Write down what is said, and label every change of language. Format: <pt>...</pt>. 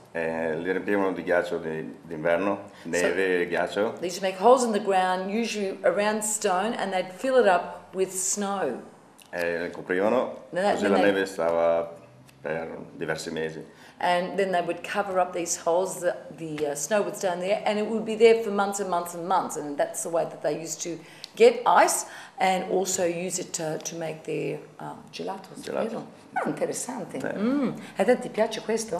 <it>Li riempivano di ghiaccio d'inverno, neve e ghiaccio.</it> <en>They used to make holes in the ground, usually around stone, and they'd fill it up with snow.</en> <it>E le coprivano, così la neve stava per diversi mesi.</it> <en>And then they would cover up these holes, the snow would stay in there, and it would be there for months and months and months, and that's the way that they used to get ice, and also use it to make their gelato.</en> <it>Ah, interessante. A te ti piace questo?</it>